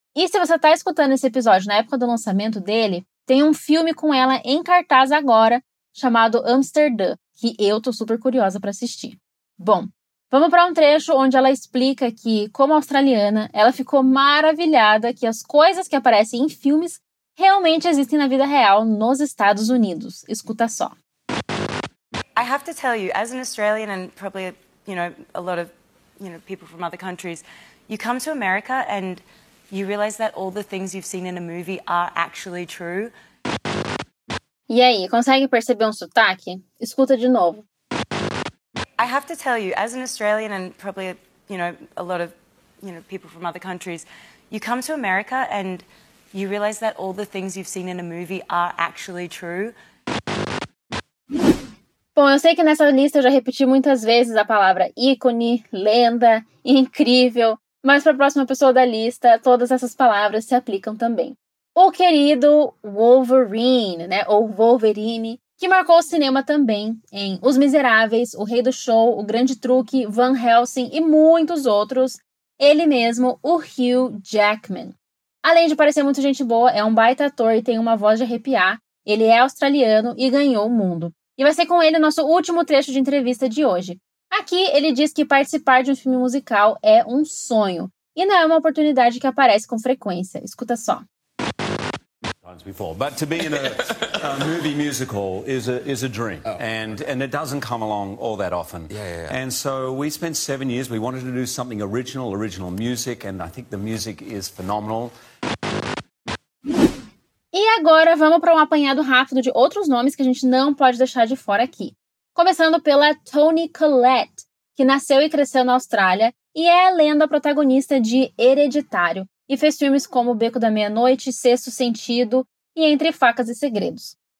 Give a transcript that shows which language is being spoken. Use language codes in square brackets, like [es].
[pt] E se você está escutando esse episódio na época do lançamento dele, tem um filme com ela em cartaz agora, chamado Amsterdã, que eu tô super curiosa pra assistir. Bom, vamos pra um trecho onde ela explica que, como australiana, ela ficou maravilhada que as coisas que aparecem em filmes realmente existem na vida real nos Estados Unidos. Escuta só. [en] I have to tell you, as an Australian and probably, you know, a lot of, you know, people from other countries, you come to America and you realize that all the things you've seen in a movie are actually true. [pt] E aí, consegue perceber um sotaque? Escuta de novo. [en] I have to tell you, as an Australian and probably, you know, a lot of, you know, people from other countries, you come to America and you realize that all the things you've seen in a movie are actually true. [pt] Bom, eu sei que nessa lista eu já repeti muitas vezes a palavra ícone, lenda, incrível, mas para a próxima pessoa da lista, todas essas palavras se aplicam também. O querido Wolverine, né, ou Wolverine, que marcou o cinema também em Os Miseráveis, O Rei do Show, O Grande Truque, Van Helsing e muitos outros, ele mesmo, o Hugh Jackman. Além de parecer muito gente boa, é um baita ator e tem uma voz de arrepiar, ele é australiano e ganhou o mundo. E vai ser com ele o nosso último trecho de entrevista de hoje. Aqui, ele diz que participar de um filme musical é um sonho. E não é uma oportunidade que aparece com frequência. Escuta só. [en] Times before, but to be in a movie musical is a dream. Oh. And it doesn't come along all that often. Yeah. And so we spent 7 years, we wanted to do something original music, and I think the music is phenomenal. [pt] E agora vamos para um apanhado rápido de outros nomes que a gente não pode deixar de fora aqui. Começando pela Toni Collette, que nasceu e cresceu na Austrália e é a lenda protagonista de Hereditário e fez filmes como Beco da Meia-Noite, Sexto Sentido e Entre Facas e Segredos.